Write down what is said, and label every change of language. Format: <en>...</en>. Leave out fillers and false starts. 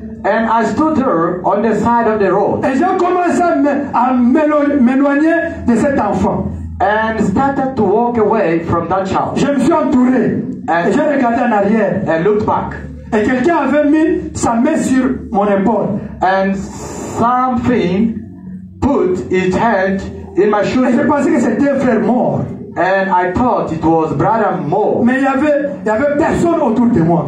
<en>And I stood there on the side of the road.</en> <fr>Et j'ai commencé à m'éloigner de cet enfant.</fr> <en>And started to walk away from that child.</en> <fr>Je me suis entouré. Et j'ai regardé en arrière.</fr> <en>And looked back.</en> <fr>Et quelqu'un avait mis sa main sur mon épaule.</fr> <en>And something put its hand in my shoulder.</en> <fr>Et je pensais que c'était un frère mort.</fr> <en>And I thought it was Brother Moore.</en> <fr>Mais il y avait personne autour de moi.</fr>